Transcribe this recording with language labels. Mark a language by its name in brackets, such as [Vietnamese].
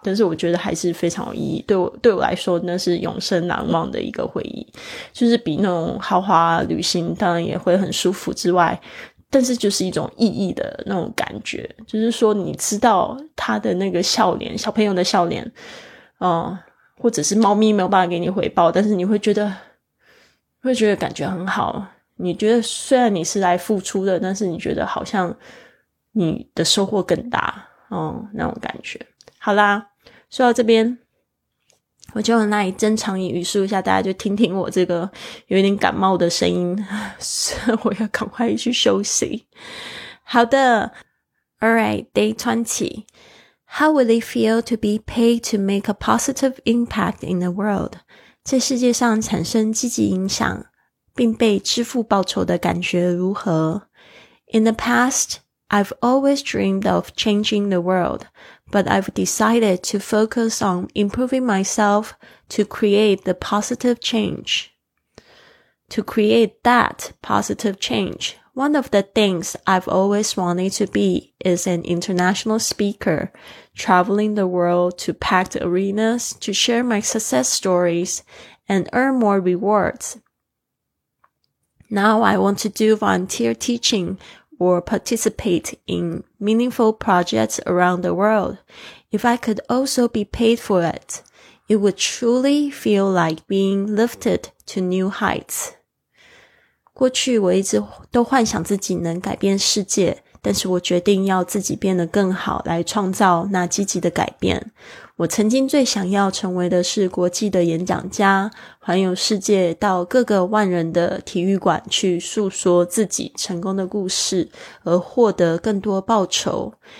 [Chinese] 但是我觉得还是非常有意义，对我来说那是永生难忘的一个回忆，就是比那种豪华旅行当然也会很舒服之外，但是就是一种意义的那种感觉，就是说你知道他的那个笑脸，小朋友的笑脸或者是猫咪没有办法给你回报，但是你会觉得感觉很好，你觉得虽然你是来付出的，但是你觉得好像你的收获更大那种感觉。好啦，说到这边我就很耐珍藏语速一下，大家就听听我这个有点感冒的声音，我要赶快去休息。 [English] 好的， Alright, day 20. How would it feel to be paid to make a positive impact in the world? [Chinese] 在世界上产生积极影响并被支付报酬的感觉如何？ [English] In the past,I've always dreamed of changing the world, but I've decided to focus on improving myself to create the positive change. To create that positive change, one of the things I've always wanted to be is an international speaker, traveling the world to packed arenas to share my success stories and earn more rewards. Now I want to do volunteer teaching or participate in meaningful projects around the world. If I could also be paid for it, it would truly feel like being lifted to new heights. [Chinese] 过去我一直都幻想自己能改变世界，但是我决定要自己变得更好，来创造那积极的改变。我曾经最想要成为的是国际的演讲家，环游世界到各个万人的体育馆去诉说自己成功的故事，而获得更多报酬。